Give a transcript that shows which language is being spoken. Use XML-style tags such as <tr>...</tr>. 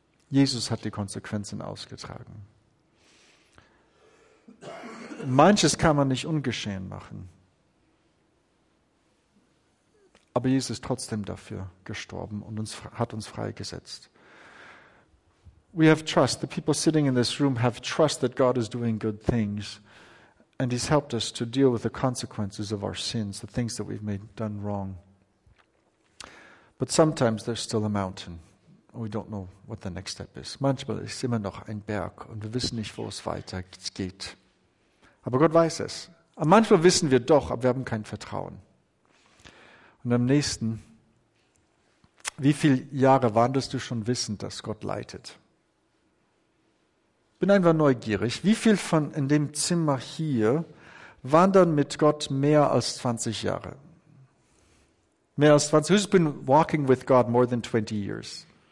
<de>Jesus hat die Konsequenzen ausgetragen. Manches kann man nicht ungeschehen machen. Aber Jesus ist trotzdem dafür gestorben und hat uns freigesetzt.</de> <en>We have trust. The people sitting in this room have trust that God is doing good things. And he's helped us to deal with the consequences of our sins, the things that we've made done wrong. But sometimes there's still a mountain. We don't know what the next step is.</en> <de>Manchmal ist immer noch ein Berg und wir wissen nicht, wo es weitergeht. Aber Gott weiß es. Und manchmal wissen wir doch, aber wir haben kein Vertrauen. Und am nächsten, wie viele Jahre wandelst du schon wissend, dass Gott leitet? Bin einfach neugierig. Wie viel von in dem Zimmer hier wandern mit Gott mehr als 20 Jahre? Mehr als 20?</de> <en>Who's been walking with God more than 20 years?</en>